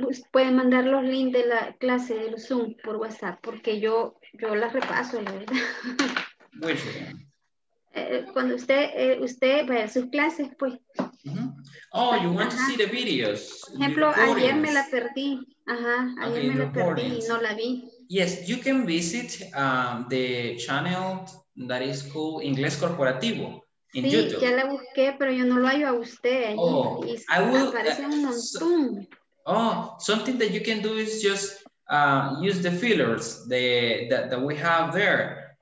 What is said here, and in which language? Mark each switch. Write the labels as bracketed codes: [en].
[es] Pueden mandar los links de la clase del Zoom por WhatsApp, porque yo las repaso, la verdad. Muy bien. Cuando usted vaya a sus clases, pues. [en] Uh-huh. Oh, you want to see the videos. [es] Por ejemplo, ayer me la perdí. Ajá, ayer me la perdí y no la vi. [en] Yes, you can visit the channel that is called Inglés Corporativo. [es] Sí, YouTube. Ya la busqué, pero yo no lo hallo a usted. [en] Oh, [es] y will, aparece un montón. [en] Something that you can do is just use the fillers that we have there.